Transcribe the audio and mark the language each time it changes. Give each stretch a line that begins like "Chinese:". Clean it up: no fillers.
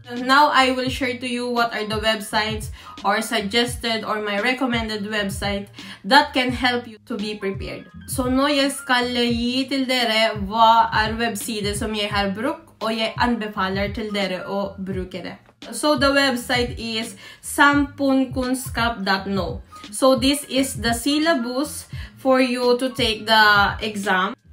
English: Now I will share to you what are the websites or suggested or my recommended website that can help you to be prepared.
Norwegian: So nå jeg skal gi til dere hva websiden som jeg har brukt, og jeg anbefaler til dere å bruke det.
English: So the website is sampunkunnskap.no. So this is the syllabus for you to take the exam.